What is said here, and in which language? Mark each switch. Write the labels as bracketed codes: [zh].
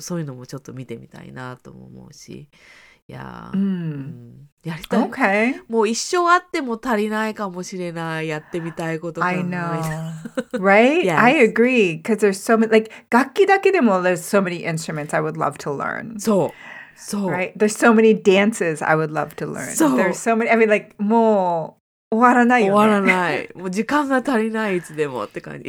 [ja] そういうのもちょっと見てみたいなとも思うし、 [en] yeah, [ja] やりたい。 [en] Okay. [ja] もう一生あっても足りないかもしれない。やってみたいこと [en] が。I know. Right? Yes. I agree. Because there's so many, like, [ja] 楽器だけでも [en] there's so many instruments I would love to learn. [ja] そう。そう。 [en] Right? There's so many dances I would love to learn. [ja] そう。 [en] There's so many, I mean, like, [ja] もう終わらないよね。終わらない。もう時間が足りないいつでもって感じ。